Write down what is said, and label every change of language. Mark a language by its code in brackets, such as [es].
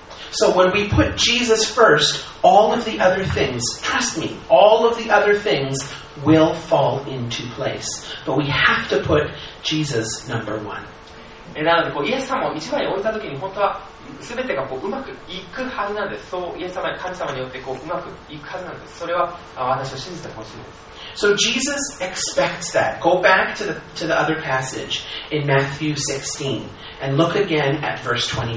[en] So when we put Jesus first, all of the other things, trust me, all of the other things will fall into place. But we have to put Jesus number one. [ja] なのでこうイエス様を一番に置いたときに本当は全てがこううまくいくはずなんです。そうイエス様、神様によってこううまくいくはずなんです。それは私を信じてほしいです。 [en] So Jesus expects that. Go back to the other passage in Matthew 16 and look again at verse